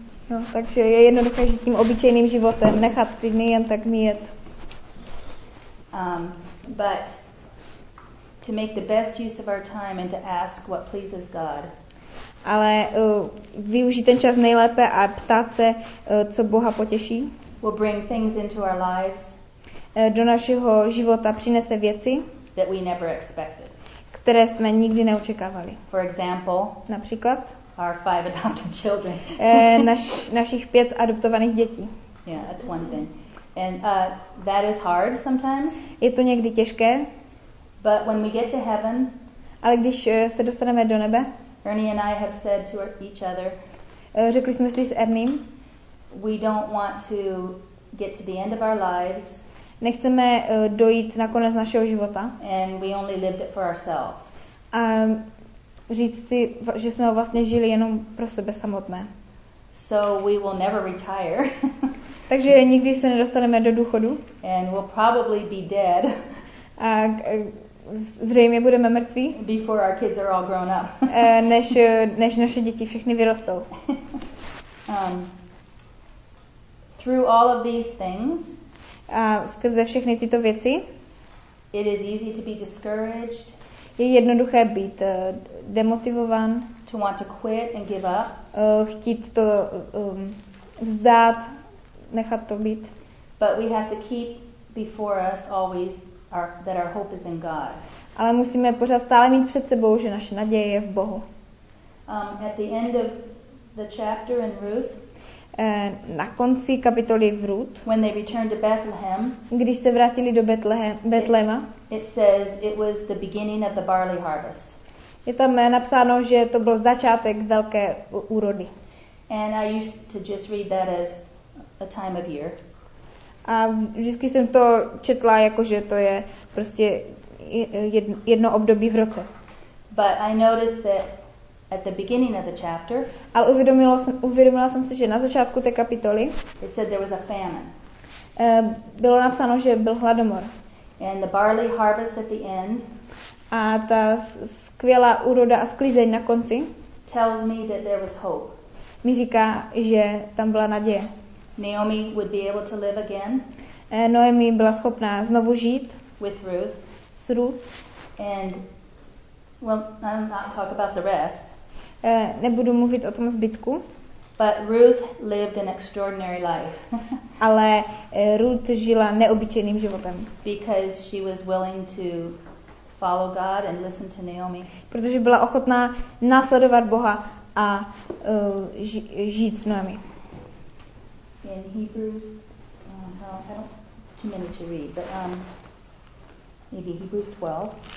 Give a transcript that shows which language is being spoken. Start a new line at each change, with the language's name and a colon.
Czech: No, takže je jednoduché žít tím obyčejným životem, nechat ty dny jen tak míjet.
English: But to make the best use of our time and to ask what pleases God.
Czech: Ale využít ten čas nejlépe a ptát se, co Boha potěší.
English: Will bring things into our lives.
Czech: Do našeho života přinese věci,
English: that we never expected.
Czech: Které jsme nikdy neočekávali.
English: For example,
Czech: například
English: our five adopted children.
Czech: našich pět adoptovaných dětí.
English: Yeah, that's one thing. And that is hard sometimes.
Czech: Je to někdy těžké.
English: But when we get to heaven,
Czech: ale když se dostaneme do nebe,
English: Ernie and I have said to each other,
Czech: řekli jsme si s Erniem,
English: we don't want to get to the end of our lives.
Czech: Nechceme dojít na konec našeho života.
English: And we only lived it for ourselves.
Czech: A říct si, že jsme ho vlastně žili jenom pro sebe samotné.
English: So we will never retire.
Czech: Takže nikdy se nedostaneme do důchodu.
English: And we'll probably be dead.
Czech: A zřejmě budeme mrtví.
English: Before our kids are all grown up.
Czech: než naše děti všechny vyrostou.
English: Through all of these things,
Czech: a skrze všechny tyto věci,
English: it is easy to be discouraged,
Czech: je jednoduché být demotivovan,
English: to want to quit and give up,
Czech: chtít to vzdát, nechat to být.
English: But we have to keep before us always that our hope is in God.
Czech: Ale musíme pořád stále mít před sebou, že naše naděje je v Bohu.
English: At the end of the chapter in Ruth,
Czech: na konci kapitoly v Rut,
English: when they returned to Bethlehem,
Czech: když se vrátili do Betléma,
English: it says it was the beginning of the barley harvest.
Czech: Je tam napsáno, že to byl začátek velké úrody.
English: And I used to just read that as a time of year.
Czech: A vždycky jsem to četla jako, že to je prostě jedno období v roce.
English: But I noticed that at the beginning of the chapter,
Czech: ale uvědomila jsem si, že na začátku té kapitoly,
English: it said there was a famine.
Czech: Bylo napsáno, že byl hladomor.
English: And the barley harvest at the end,
Czech: a ta skvělá úroda a sklízeň na konci,
English: tells me that there was hope.
Czech: Mi říká, že tam byla naděje.
English: Naomi would be able to live again.
Czech: Noemi byla schopná znovu žít.
English: With Ruth.
Czech: S Ruth.
English: And well, I'll not talk about the rest.
Czech: Nebudu mluvit o tom zbytku.
English: But Ruth lived an extraordinary life.
Czech: Ale Ruth žila neobyčejným životem.
English: Because she was willing to follow God and listen to Naomi.
Czech: Protože byla ochotná následovat Boha a žít s Noemi.
English: In Hebrews, it's too many to read, but maybe Hebrews 12.